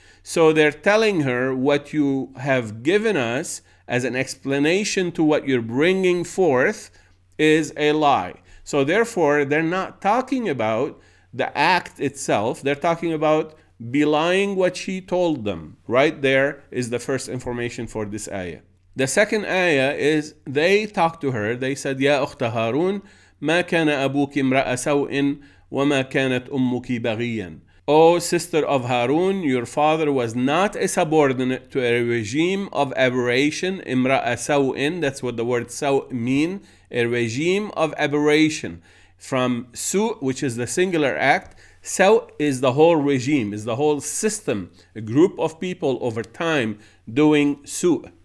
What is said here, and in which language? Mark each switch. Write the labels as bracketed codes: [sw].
[en] So they're telling her, what you have given us as an explanation to what you're bringing forth is a lie. So therefore, they're not talking about the act itself. They're talking about belying what she told them. Right there is the first information for this ayah. The second ayah is, they talked to her. They said, [ar] يَا أُخْتَ هَارُونَ مَا كَانَ أَبُوكِ امْرَأَ سَوْءٍ وَمَا كَانَتْ أُمُّكِ بَغِيًّا. [en] O sister of Harun, your father was not a subordinate to a regime of aberration. اِمْرَأَ سَوْءٍ, that's what the word سَوْء mean. A regime of aberration from su, which is the singular act. Saw is the whole regime, is the whole system, a group of people over time doing su.